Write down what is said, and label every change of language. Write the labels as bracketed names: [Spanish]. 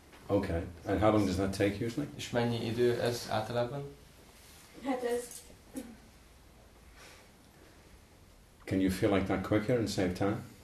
[English] Okay, and how long does that take usually? [Hungarian] És mennyi idő ez általában? Hát ez... [English] Can you feel like that quicker and save time?